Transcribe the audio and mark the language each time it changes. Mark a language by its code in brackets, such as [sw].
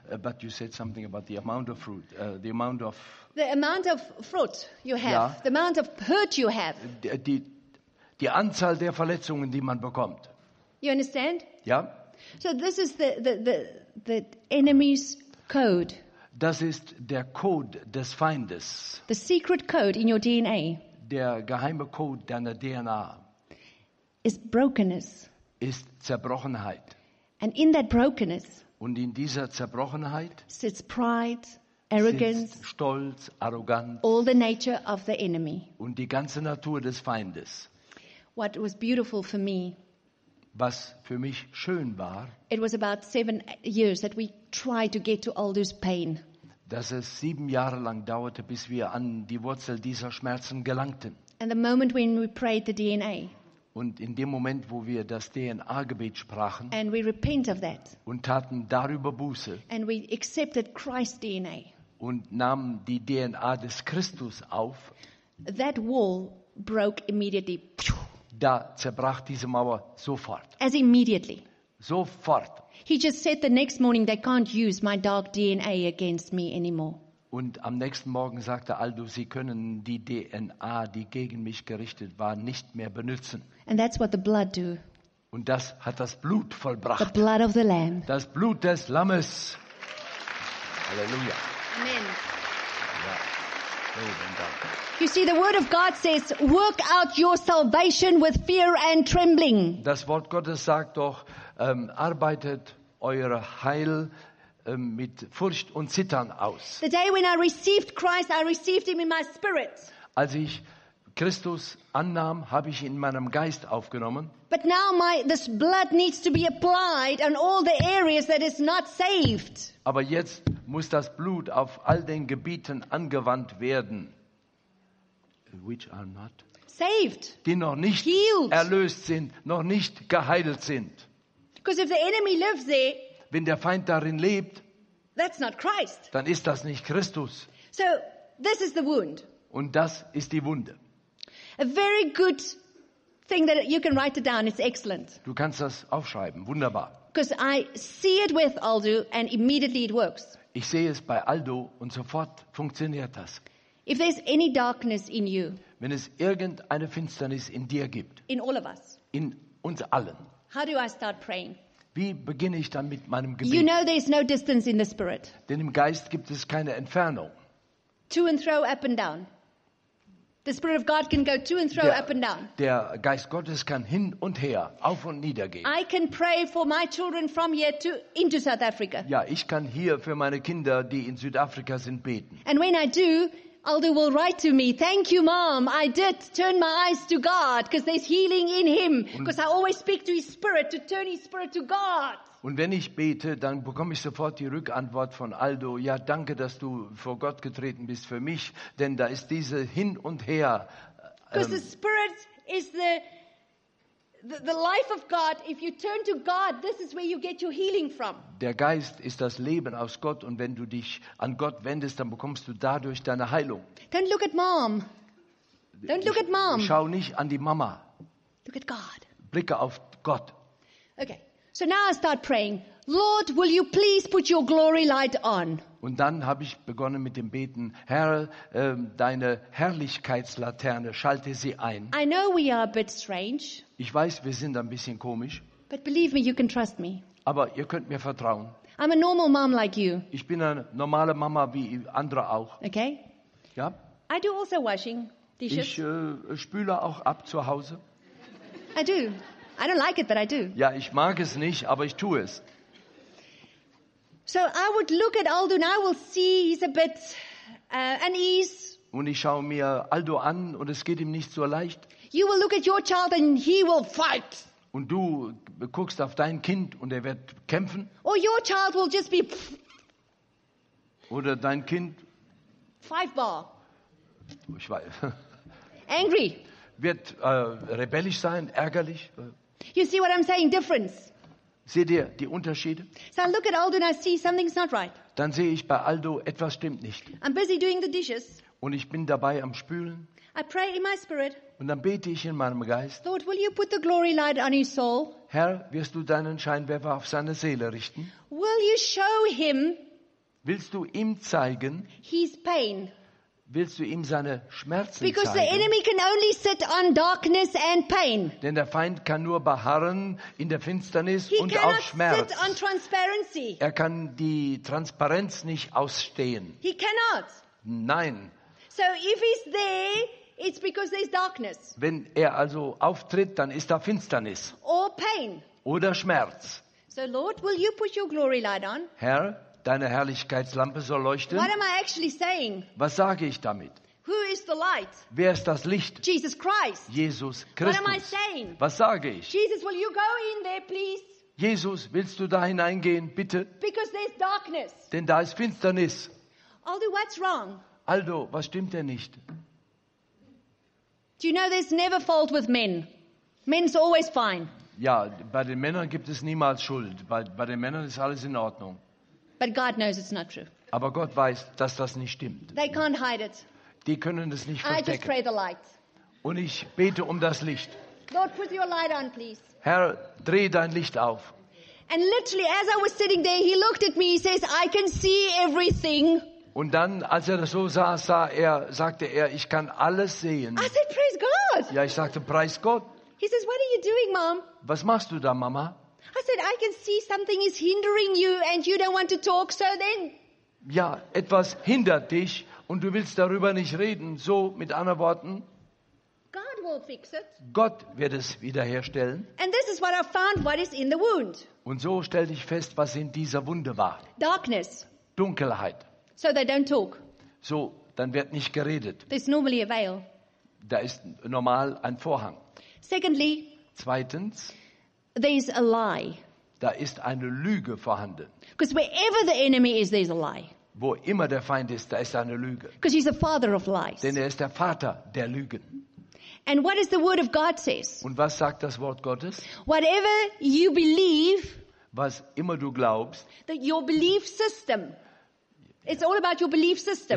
[en] But you said something about the amount of fruit. The amount of fruit you have. Ja. The amount of hurt you have. [de] Die Anzahl der Verletzungen, die man bekommt. [en] You understand? [de] Ja. [en] So this is the enemy's code. [de] Das ist der Code des Feindes. [en] The secret code in your DNA. [de] Der geheime Code deiner DNA. [en] Is brokenness. [de] Ist Zerbrochenheit. [en] And in that brokenness, [de] und in dieser Zerbrochenheit [en] sits pride, arrogance, [de] sitzt Stolz, Arroganz, [en] all the nature of the enemy. [de] Und die ganze Natur des Feindes. [en] What was beautiful for me, [de] was für mich schön war, [en] it was about 7 years that we tried to get to Aldous Payne. [de] Dass es 7 Jahre lang dauerte, bis wir an die Wurzel dieser Schmerzen gelangten. [en] And the moment when we prayed the DNA. [de] Und in dem Moment, wo wir das DNA-Gebet sprachen, [en] and we repent of that, [de] und taten darüber Buße, [en] and we accepted Christ's DNA, [de] und nahmen die DNA des Christus auf, [en] that wall broke immediately. [de] Da zerbrach diese Mauer sofort. [en] As immediately. [de] Sofort. [en] He just said the next morning, they can't use my dark DNA against me anymore. [de] Und am nächsten Morgen sagte Aldo, sie können die DNA, die gegen mich gerichtet war, nicht mehr benutzen. [en] And that's what the blood do. [de] Und das hat das Blut vollbracht. [en] The blood of the Lamb. [de] Das Blut des Lammes. Halleluja. [en] Amen. [de] Ja. Vielen Dank. [en] You see, the word of God says, work out your salvation with fear and trembling. [de] Das Wort Gottes sagt doch, arbeitet eure Heil mit Furcht und Zittern aus. [en] The day when I received Christ, I received him in my spirit. [de] Als ich Christus annahm, habe ich ihn in meinem Geist aufgenommen. [en] But now this blood needs to be applied on all the areas that is not saved. [de] Aber jetzt muss das Blut auf all den Gebieten angewandt werden, [en] which are not saved, [de] die noch nicht [en] healed, [de] erlöst sind, noch nicht geheilt sind. [en] Because if the enemy lives there, [de] wenn der Feind darin lebt, [en] that's not Christ, [de] dann ist das nicht Christus. [en] So, this is the wound. [de] Und das ist die Wunde. [en] A very good thing that you can write it down. It's excellent. [de] Du kannst das aufschreiben. Wunderbar. [en] Because I see it with Aldo and immediately it works. [de] Ich sehe es bei Aldo und sofort funktioniert das. [en] If there's any darkness in you, [de] wenn es irgendeine Finsternis in dir gibt, [en] in all of us, [de] in uns allen, [en] how do I start praying? [de] Wie beginne ich dann mit meinem Gebet? [en] You know, there's no distance in the spirit. [de] Denn im Geist gibt es keine Entfernung. [en] To and throw up and down. The Spirit of God can go to and throw up and down. [de] Der Geist Gottes kann hin und her, auf und nieder gehen. [en] I can pray for my children from here to into South Africa. [de] Ja, ich kann hier für meine Kinder, die in Südafrika sind, beten. [en] And when I do, Aldo will write to me, thank you, Mom, I did turn my eyes to God, because there's healing in him, because I always speak to his spirit, to turn his spirit to God. [de] Und wenn ich bete, dann bekomme ich sofort die Rückantwort von Aldo, ja, danke, dass du vor Gott getreten bist für mich, denn da ist diese hin und her. [en] Because the spirit is the life of God. If you turn to God, this is where you get your healing from. [de] Der Geist ist das Leben aus Gott, und wenn du dich an Gott wendest, dann bekommst du dadurch deine Heilung. [en] Don't look at Mom. Don't look at Mom. [de] Schau nicht an die Mama. [en] Look at God. [de] Blicke auf Gott. [en] Okay. So now I start praying. Lord, will you please put your glory light on? [de] Und dann habe ich begonnen mit dem Beten. Herr, deine Herrlichkeitslaterne, schalte sie ein. [en] I know we are a bit strange. [de] Ich weiß, wir sind ein bisschen komisch. [en] But believe me, you can trust me. [de] Aber ihr könnt mir vertrauen. [en] I'm a normal mom like you. [de] Ich bin eine normale Mama wie andere auch. [en] Okay? [de] Ja. [en] I do also washing dishes. [de] Ich spüle auch ab zu Hause. [en] I do. I don't like it, but I do. [de] Ja, ich mag es nicht, aber ich tue es. [en] So I would look at Aldo and I will see he's a bit unease. [de] Und ich schaue mir Aldo an und es geht ihm nicht so leicht. [en] You will look at your child and he will fight. [de] Und du guckst auf dein Kind und er wird kämpfen. [en] Or your child will just be. [de] Oder dein Kind. [en] Five bar. [de] ich weiß. [en] Angry. [de] Wird rebellisch sein, ärgerlich. [en] You see what I'm saying? Difference. [de] Seht ihr die Unterschiede? [en] So I look at Aldo and I see something's not right. [de] Dann sehe ich bei Aldo, etwas stimmt nicht. [en] I'm busy doing the dishes. [de] Und ich bin dabei am Spülen. [en] I pray in my spirit. [de] Und dann bete ich in meinem Geist. [en] Lord, will you put the glory light on his soul? [de] Herr, wirst du deinen Scheinwerfer auf seine Seele richten? [en] Will you show him? [de] Willst du ihm zeigen? [en] His pain. [de] Willst du ihm seine Schmerzen [en] Because [de] zeigen? [en] The enemy can only sit on darkness and pain. [de] Denn der Feind kann nur beharren in der Finsternis [en] He [de] und auf Schmerz. [en] Sit on transparency. [de] Er kann die Transparenz nicht ausstehen. [en] He cannot. [de] Nein. [en] So if he's there, it's because there's darkness. [de] Wenn er also auftritt, dann ist da Finsternis. [en] Or pain. [de] Oder Schmerz. [en] So Lord, will you put your glory light on? [de] Herr, deine Herrlichkeitslampe soll leuchten. [en] What am I actually saying? [de] Was sage ich damit? [en] Who is the light? [de] Wer ist das Licht? [en] Jesus Christ. [de] Jesus Christus. [en] What am I saying? [de] Was sage ich? [en] Jesus, will you go in there, please? [de] Jesus, willst du da hineingehen, bitte? [en] Because there's darkness. [de] Denn da ist Finsternis. [en] Aldo, what's wrong? [de] Aldo, was stimmt denn nicht? [en] Do you know there's never fault with men? Men's always fine. [de] Ja, bei den Männern gibt es niemals Schuld. Bei den Männern ist alles in Ordnung. [en] But God knows it's not true. [de] Aber Gott weiß, dass das nicht stimmt. [en] They can't hide it. [de] Die können es nicht verstecken. [en] I just pray the light. [de] Und ich bete um das Licht. [en] Lord, put your light on, please. [de] Herr, dreh dein Licht auf. [en] And literally, as I was sitting there, he looked at me. He says, I can see everything. [de] Und dann, als er das so sah, sagte er, ich kann alles sehen. [en] I said, praise God. [de] Ja, ich sagte, preis Gott. [en] He says, what are you doing, Mom? [de] Was machst du da, Mama? [en] I said, I can see something is hindering you and you don't want to talk, so then. [de] Ja, etwas hindert dich und du willst darüber nicht reden. So, mit anderen Worten. [en] God will fix it. [de] Gott wird es wiederherstellen. [en] And this is what I found, what is in the wound. [de] Und so stell dich fest, was in dieser Wunde war. [en] Darkness. [de] Dunkelheit. [en] So they don't talk. [de] So, dann wird nicht geredet. [en] There's normally a veil. [de] Da ist normal ein Vorhang. [en] Secondly. [de] Zweitens. [en] There's a lie. [de] Da ist eine Lüge vorhanden. [en] Because wherever the enemy is, there's a lie. [de] Wo immer der Feind ist, da ist eine Lüge. [en] Because he's the father of lies. [de] Denn er ist der Vater der Lügen. [en] And what is the word of God says? [de] Und was sagt das Wort Gottes? [en] Whatever you believe. [de] Was immer du glaubst. [en] That your belief system. It's all about your belief system.